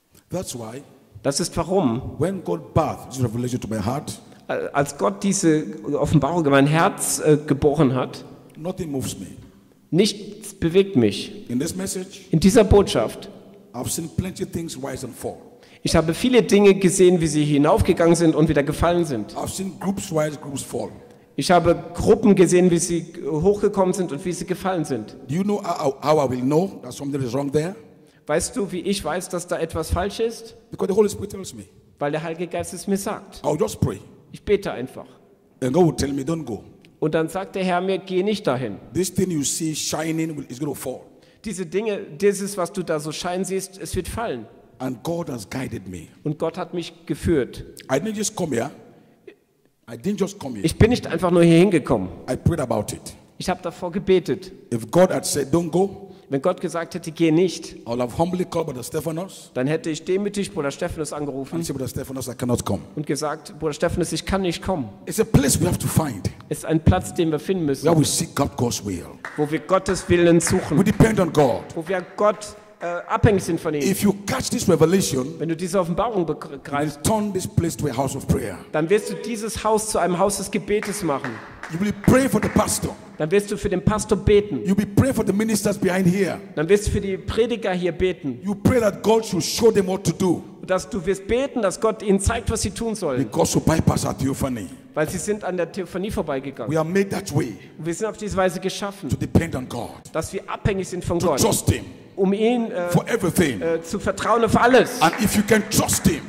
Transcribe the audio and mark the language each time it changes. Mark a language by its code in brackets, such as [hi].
[en] That's why, [de] das ist warum, [en] when God birthed this revelation to my heart, [de] als Gott diese Offenbarung in mein Herz geboren hat, [en] nothing moves me. [de] Nichts bewegt mich. [en] In this message, [de] in dieser Botschaft, [en] I've seen plenty of things rise and fall. [de] Ich habe viele Dinge gesehen, wie sie hinaufgegangen sind und wieder gefallen sind. [en] I've seen groups rise, groups fall. [de] Ich habe Gruppen gesehen, wie sie hochgekommen sind und wie sie gefallen sind. [en] Do you know how I will know that something is wrong there? [de] Weißt du, wie ich weiß, dass da etwas falsch ist? [en] Because the Holy Spirit tells me. [de] Weil der Heilige Geist es mir sagt. [en] I'll just pray. [de] Ich bete einfach. [en] And God will tell me, don't go. [de] Und dann sagt der Herr mir, geh nicht dahin. [en] This thing you see shining is going to fall. [de] Diese Dinge, dieses, was du da so scheinen siehst, es wird fallen. [en] And God has guided me. [de] Und Gott hat mich geführt. [en] I didn't just come here. I didn't just come here. [de] Ich bin nicht einfach nur hier hingekommen. [en] I prayed about it. [de] Ich habe davor gebetet. [en] If God had said, don't go, [de] wenn Gott gesagt hätte, geh nicht, [en] I'll have humbly called Brother Stephanos, [de] dann hätte ich demütig Bruder Stephanos angerufen [en] and said, Brother Stephanos, I cannot come. [de] Und gesagt, Bruder Stephanos, ich kann nicht kommen. [en] It's a place we have to find. [de] Es ist ein Platz, den wir finden müssen, [en] where we seek God's will. [de] Wo wir Gottes Willen suchen. [en] We depend on God. [de] Wo wir Gott abhängig sind von ihm. [en] If you catch this revelation, [de] wenn du diese Offenbarung begreifst, [en] turn this place to a house of prayer. [de] Dann wirst du dieses Haus zu einem Haus des Gebetes machen. [en] You will pray for the pastor. [de] Dann wirst du für den Pastor beten. [en] You will pray for the ministers behind here. [de] Dann wirst du für die Prediger hier beten. [en] You pray that God should show them what to do. [de] Dass du wirst beten, dass Gott ihnen zeigt, was sie tun sollen. [en] Because we bypass our theophany. [de] Weil sie sind an der Theophanie vorbeigegangen. [en] We are made that way. [de] Wir sind auf diese Weise geschaffen. [en] To depend on God. [de] Dass wir abhängig sind von [en] to [de] Gott. [en] Trust him. [de] Um ihn [en] for everything. [de] Zu vertrauen auf alles. [en] And if you can trust him,